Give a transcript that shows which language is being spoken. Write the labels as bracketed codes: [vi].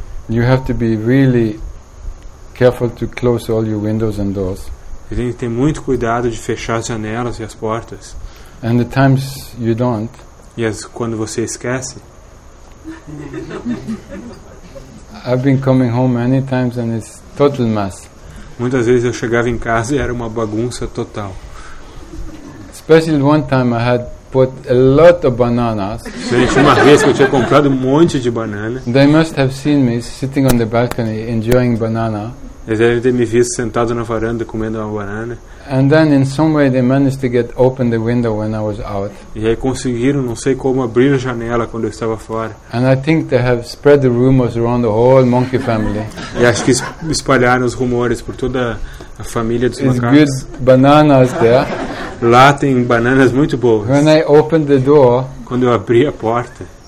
[en] You have to be really careful to close all your windows and doors. [pt] Você tem que ter muito cuidado de fechar as janelas e as portas. [en] And the times you don't. [pt] Yes, quando você esquece. [en] I've been coming home many times and it's total mess. [pt] Muitas vezes eu chegava em casa e era uma bagunça total. [en] Especially one time I had put a lot of bananas. [pt] Uma vez que eu tinha comprado um monte de banana. [en] They must have seen me sitting on the balcony enjoying banana. [pt] Eles devem ter me visto sentado na varanda comendo uma banana. [en] And then in some way they managed to get open the window when I was out. [pt] E aí conseguiram, não sei como, abrir a janela quando eu estava fora. [en] And I think they have spread the rumors around the whole monkey family. [pt] E acho que espalharam os rumores por toda a família dos [en] It's [pt] macacos. [en] Good bananas there. [pt] Lá tem bananas muito boas. [en] When I opened the door, [pt] quando eu abri a porta,